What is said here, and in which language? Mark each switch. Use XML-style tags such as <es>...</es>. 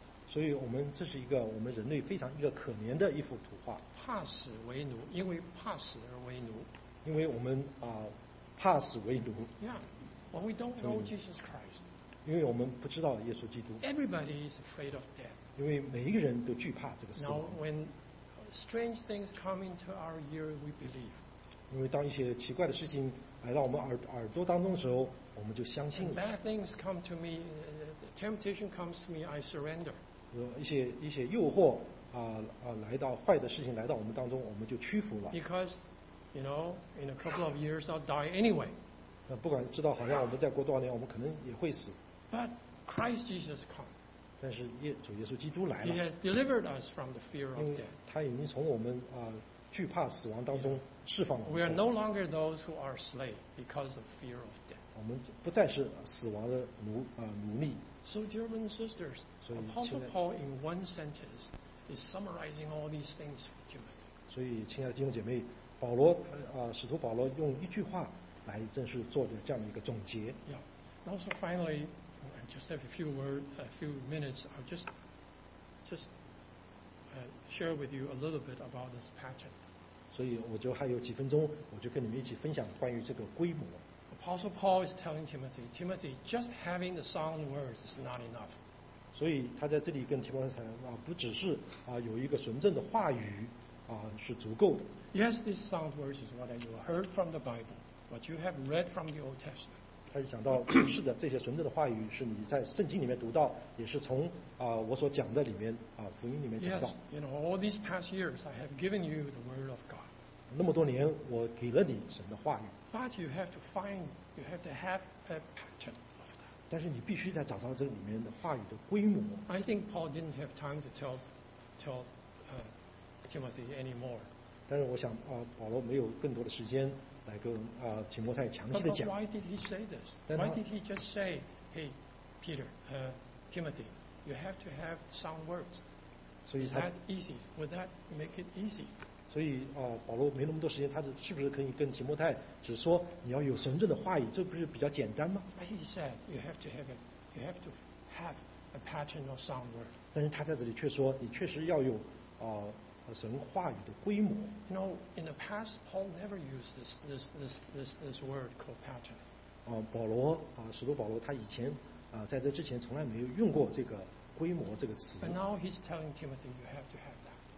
<zh>所以我们这是一个我们人类非常一个可怜的一幅图画。怕死为奴，因为怕死而为奴。因为我们怕死为奴。</zh> <en>Yeah, when we don't know Jesus Christ.</en> <zh>因为我们不知道耶稣基督。</zh> <en>Everybody is afraid of death.</en> <zh>因为每一个人都惧怕这个死亡。</zh> <en>Now when strange things come into our ear, we believe.</en> <zh>因为当一些奇怪的事情来到我们耳朵当中的时候，我们就相信了。</zh> <en>Bad things come to me, temptation comes to me, I surrender.</en> <zh>一些诱惑来到坏的事情来到我们当中，我们就屈服了。</zh> <en>Because, you know, in a couple of years I'll die anyway.</en> <zh>那不管知道，好像我们再过多少年，我们可能也会死。</zh> <en>But Christ Jesus come.</en> <zh>但是主耶稣基督来了。</zh> <en>He has delivered us from the fear of death.</en> <zh>他已经从我们惧怕死亡当中释放了。</zh> <en>We are no longer those who are slaves because of fear of death.</en> <zh>我们不再是死亡的奴隶。</zh> <en>So, dear brothers and sisters, Apostle Paul in one sentence is summarizing all these things for Timothy.</en> <zh>所以，亲爱的弟兄姐妹，保罗使徒保罗用一句话来正式做的这样的一个总结。</zh> <en>Yeah. Also, finally, just have a few minutes. I'll share with you a little bit about this pattern.</en> <zh>所以我就还有几分钟，我就跟你们一起分享关于这个规模。</zh> <en>Apostle Paul is telling Timothy, Timothy, just having the sound words is not enough.</en> <zh>所以他在这里跟提摩太不只是有一个纯正的话语是足够的。</zh> <en>Yes, these sound words is what you heard from the Bible, what you have read from the Old Testament.</en> <zh>他就讲到，是的，这些纯正的话语是你在圣经里面读到，也是从我所讲的里面福音里面讲到。</zh> <en>Yes, you know, all these past years I have given you the word of God.</en> <zh>那么多年我给了你神的话语。</zh> <en>But you have to find, you have to have a pattern of that.</en> <zh>但是你必须在找到这里面的话语的规模。</zh> <en>I think Paul didn't have time to tell Timothy anymore.</en> <zh>但是我想保罗没有更多的时间来跟提摩太详细的讲。</zh> <en>But why did he say this? Why did he just say, "Hey, Peter, Timothy, you have to have sound words"? So is that easy? Would that make it easy?</en> <zh>所以保罗没那么多时间，他是不是可以跟提摩太只说你要有神圣的话语，这不是比较简单吗</zh> <en>？But he said you have to have a pattern of sound words.</en> <zh>但是他在这里却说你确实要有神话语的规模。</zh> <en>No, in the past, Paul never used this word called pattern.</en> <zh>保罗使徒保罗他以前在这之前从来没有用过这个规模这个词。</zh> <en>But now he's telling Timothy you have to have that.</en>